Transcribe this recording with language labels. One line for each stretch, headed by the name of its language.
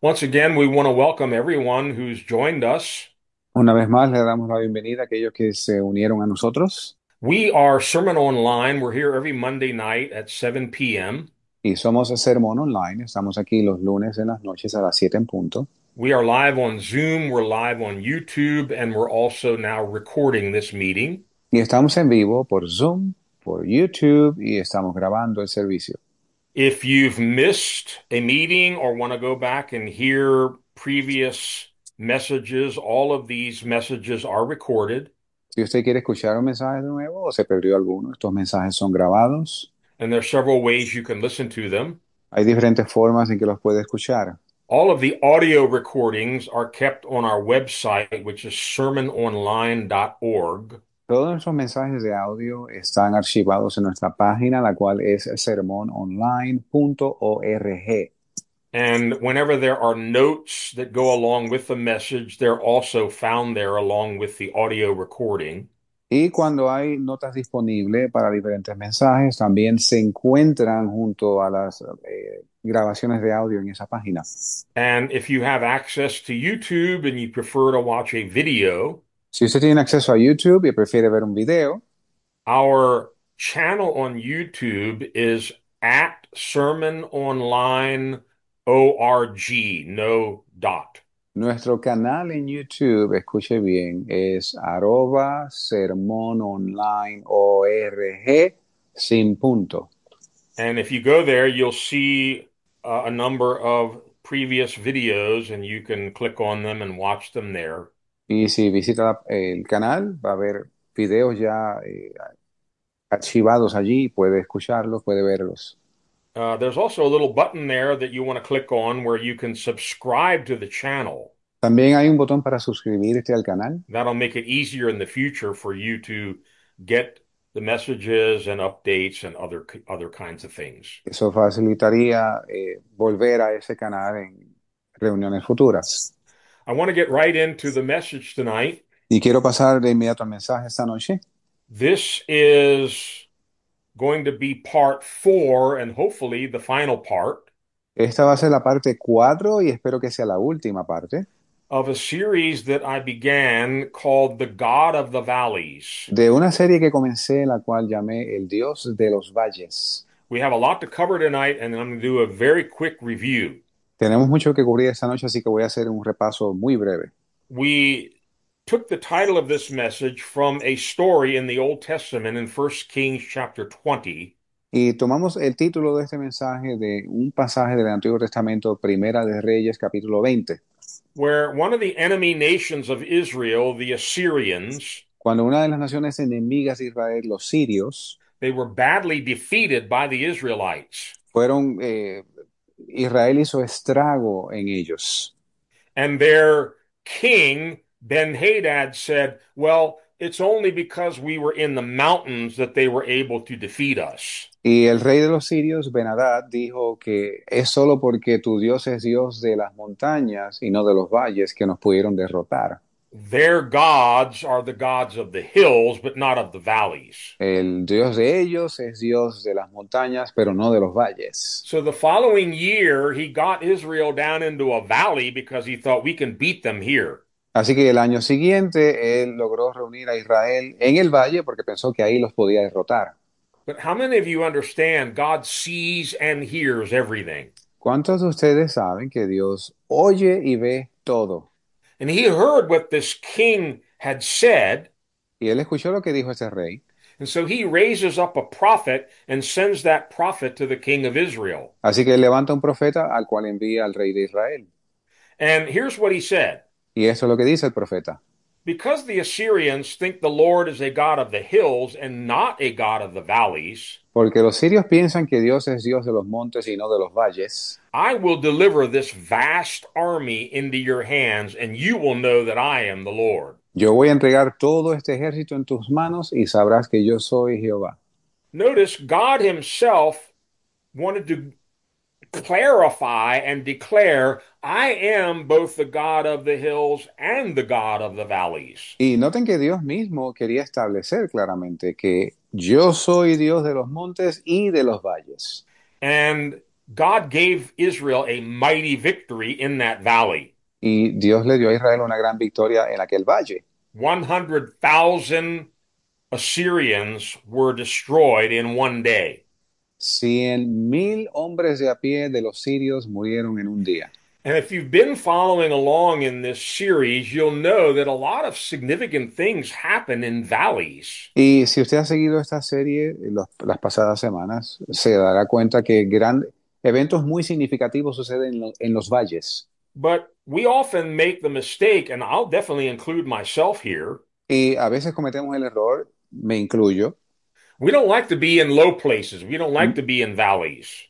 English: Once again, we want to welcome everyone who's joined us.
Spanish: Una vez más, le damos la bienvenida a aquellos que se unieron a nosotros.
English: We are Sermon Online. We're here every Monday night at 7 p.m.
Spanish: Y somos el sermón online. Estamos aquí los lunes en las noches a las 7 en punto.
English: We are live on Zoom, we're live on YouTube, and we're also now recording this meeting.
Spanish: Y estamos en vivo por Zoom, por YouTube, y estamos grabando el servicio.
English: If you've missed a meeting or want to go back and hear previous messages, all of these messages are recorded.
Spanish: Si usted quiere escuchar un mensaje de nuevo o se perdió alguno, estos mensajes son grabados.
English: And there are several ways you can listen to them.
Spanish: Hay diferentes formas en que los puede escuchar.
English: All of the audio recordings are kept on our website, which is sermononline.org.
Spanish: Todos nuestros mensajes de audio están archivados en nuestra página, la cual es sermononline.org.
English: And whenever there are notes that go along with the message, they're also found there along with the audio recording.
Spanish: Y cuando hay notas disponibles para diferentes mensajes, también se encuentran junto a las grabaciones de audio en esa página.
English: And if you have access to YouTube and you prefer to watch a video,
Spanish: Si usted tiene acceso a YouTube y prefiere ver un video,
English: our channel on YouTube is at Sermon Online. ORG, no dot.
Spanish: nuestro canal en YouTube, escuche bien, es arroba sermononlineorg sin punto.
English: And if you go there, you'll see a number of previous videos, and you can click on them and watch them there.
Spanish: Y si visita el canal, va a haber videos ya archivados allí, puede escucharlos, puede verlos.
English: There's also a little button there that you want to click on where you can subscribe to the channel.
Spanish: También hay un botón para suscribirte al canal.
English: That'll make it easier in the future for you to get the messages and updates and other kinds of things.
Spanish: Eso facilitaría volver a ese canal en reuniones futuras.
English: I want to get right into the message tonight.
Spanish: Y quiero pasar de inmediato al mensaje esta noche.
English: This is going to be part four and hopefully the final part
Spanish: Esta va a ser la parte 4 y espero que sea la última parte
English: of a series that I began called The God of the Valleys.
Spanish: de una serie que comencé, la cual llamé El Dios de los Valles.
English: We have a lot to cover tonight, and I'm going to do a very quick review.
Spanish: Tenemos mucho que cubrir esta noche, así que voy a hacer un repaso muy breve.
English: We took the title of this message from a story in the Old Testament in 1 Kings chapter 20.
Spanish: Y tomamos el título de este mensaje de un pasaje del Antiguo Testamento, Primera de Reyes, capítulo 20.
English: Where one of the enemy nations of Israel, the Assyrians,
Spanish: Cuando una de las naciones enemigas de Israel, los sirios,
English: they were badly defeated by the Israelites.
Spanish: fueron, Israel hizo estrago en ellos.
English: And their king, Ben-Hadad, said, "Well, it's only because we were in the mountains that they were able to defeat us."
Spanish: Y el rey de los sirios, Ben-Hadad, dijo que es solo porque tu Dios es Dios de las montañas y no de los valles que nos pudieron derrotar.
English: Their gods are the gods of the hills, but not of the valleys.
Spanish: El Dios de ellos es Dios de las montañas, pero no de los valles.
English: So the following year, he got Israel down into a valley because he thought, "We can beat them here."
Spanish: Así que el año siguiente, él logró reunir a Israel en el valle porque pensó que ahí los podía derrotar.
English: But how many of you understand God sees and hears everything?
Spanish: ¿Cuántos de ustedes saben que Dios oye y ve todo?
English: And he heard what this king had said.
Spanish: Y él escuchó lo que dijo ese rey.
English: And so he raises up a prophet and sends that prophet to the king of Israel.
Spanish: Así que él levanta un profeta al cual envía al rey de Israel.
English: And here's what he said.
Spanish: Y eso es lo que dice el profeta.
English: Because the Assyrians think the Lord is a God of the hills and not a God of the valleys,
Spanish: Porque los sirios piensan que Dios es Dios de los montes y no de los valles.
English: I will deliver this vast army into your hands, and you will know that I am the Lord.
Spanish: Yo voy a entregar todo este ejército en tus manos y sabrás que yo soy Jehová.
English: Notice God himself wanted to clarify and declare, "I am both the God of the hills and the God of the valleys."
Spanish: Y noten que Dios mismo quería establecer claramente que yo soy Dios de los montes y de los valles.
English: And God gave Israel a mighty victory in that valley.
Spanish: Y Dios le dio a Israel una gran victoria en aquel valle.
English: 100,000 Assyrians were destroyed in one day.
Spanish: 100,000 hombres de a pie de los sirios murieron en un día.
English: And if you've been following along in this series, you'll know that a lot of significant things happen in valleys.
Spanish: Y si usted ha seguido esta serie las pasadas semanas, se dará cuenta que eventos muy significativos suceden en los valles.
English: But we often make the mistake, and I'll definitely include myself here.
Spanish: Y a veces cometemos el error, me incluyo.
English: We don't like to be in low places. We don't like to be in valleys.